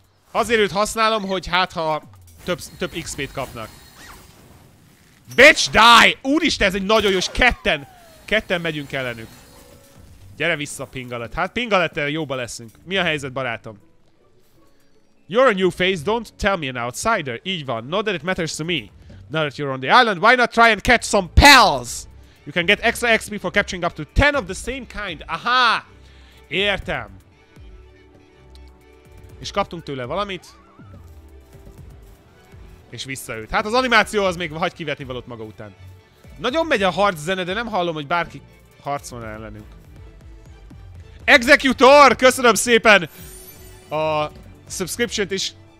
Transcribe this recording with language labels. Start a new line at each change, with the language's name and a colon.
Hungarian: Azért őt használom, hogy hát ha több XP-t kapnak.
English: Bitch, die!
Hungarian: Úristen, ez egy nagyon jó, és ketten... Ketten megyünk ellenük. Gyere vissza, Pingalet. Hát Pingalettel jóba leszünk. Mi a helyzet, barátom?
English: You're a new face, don't tell me an outsider.
Hungarian: Így van.
English: Not that it matters to me. Now that you're on the island, why not try and catch some pals? You can get extra XP for capturing up to 10 of the same kind.
Hungarian: Aha! Értem. És kaptunk tőle valamit. És visszaült. Hát az animáció az még hagy kivetni valót maga után. Nagyon megy a harc zene, de nem hallom, hogy bárki harcol ellenünk. Executor! Köszönöm szépen a subscription-t is.